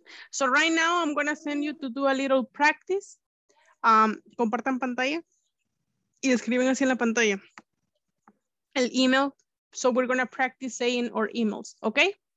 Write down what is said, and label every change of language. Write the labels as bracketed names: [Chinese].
[English] So right now I'm going to send you to do a little practice. [Spanish] Compartan pantalla y escriben así en la pantalla el email. [English] So we're going to practice saying our emails, okay?